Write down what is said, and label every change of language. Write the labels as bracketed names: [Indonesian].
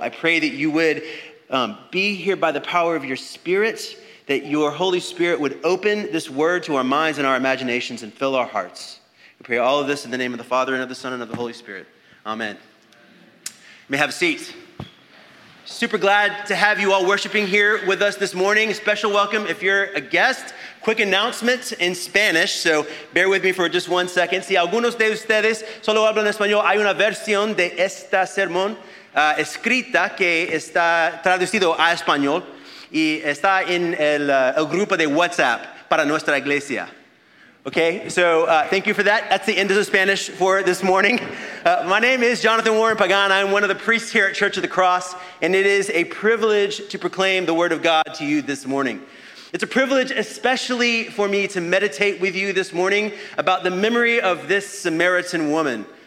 [English] I pray that you would be here by the power of your Spirit, that your Holy Spirit would open this word to our minds and our imaginations and fill our hearts. We pray all of this in the name of the Father, and of the Son, and of the Holy Spirit. Amen. You may have a seat. Super glad to have you all worshiping here with us this morning. Special welcome if you're a guest. Quick announcement in Spanish, so bear with me for just 1 second. [Spanish] Si algunos de ustedes solo hablan español, hay una versión de esta sermón escrita que está traducido a español y está en el grupo de WhatsApp para nuestra iglesia. [English] Okay, so thank you for that. That's the end of the Spanish for this morning. My name is Jonathan Warren Pagan. I'm one of the priests here at Church of the Cross, and it is a privilege to proclaim the word of God to you this morning. It's a privilege especially for me to meditate with you this morning about the memory of this Samaritan woman.